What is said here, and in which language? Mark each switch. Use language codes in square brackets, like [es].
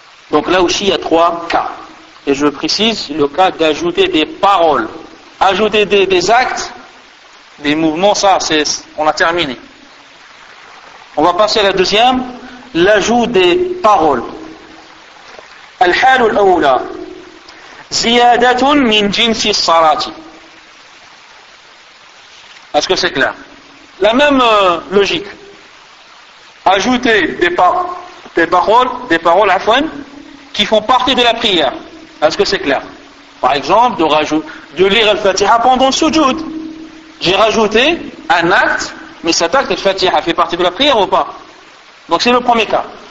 [fr] Donc là aussi il y a trois cas. Et je précise le cas d'ajouter des paroles. Ajouter des actes, des mouvements, ça c'est, on a terminé. On va passer à la deuxième, l'ajout des paroles. [ar] الحال الأولى زيادة من جنس الصلاة. [fr] Est-ce que c'est clair? La même logique. Ajouter des paroles afwan qui font partie de la prière. Est-ce que c'est clair? Par exemple, de lire Al-Fatiha pendant le sujoud. J'ai rajouté un acte, mais cet acte, Al-Fatiha, fait partie de la prière ou pas? Donc c'est le premier cas.